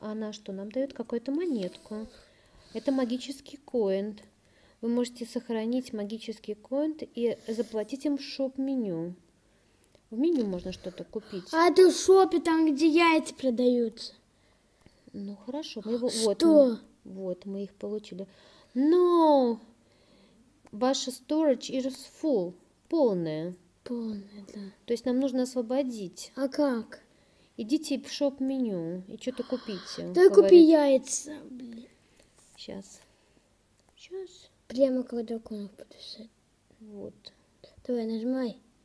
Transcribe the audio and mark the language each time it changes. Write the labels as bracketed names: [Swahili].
[Russian] Она что, нам дает какую-то монетку. Это магический коин. Вы можете сохранить магический коин и заплатить им в шоп-меню. В меню можно что-то купить. А это в шопе, там, где яйца продаются. Ну, хорошо. Мы его, вот, что? Вот, мы их получили. Но ваша [English] storage is full. [Russian] Полная. Полная, да. То есть нам нужно освободить. А как? Идите в шоп-меню и что-то купите. Да купи яйца, блин. Сейчас. Прямо как драконов подвисает. Вот. Давай, нажимай.